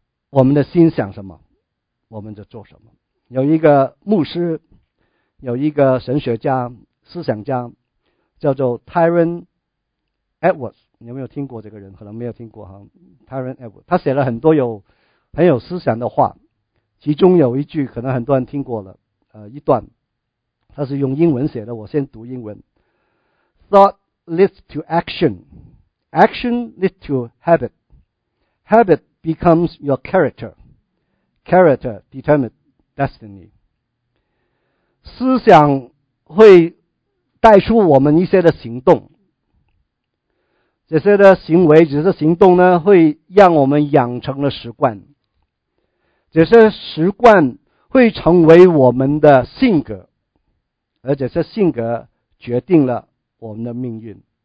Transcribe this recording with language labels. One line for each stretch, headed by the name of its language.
Chinese: 我们的心想什么我们就做什么。有一个牧师，有一个神学家思想家叫做 Tyron Edwards， 你有没有听过这个人？可能没有听过哈。 Tyron Edwards 他写了很多很有思想的话，其中有一句可能很多人听过了，一段他是用英文写的，我先读英文。
English: Thought leads to action, action leads to habit, habit becomes your character, character determines destiny。
Chinese: 思想会带出我们一些的行动，这些的行为这些行动呢会让我们养成了习惯，这些习惯会成为我们的性格，而且这性格决定了我们的命运。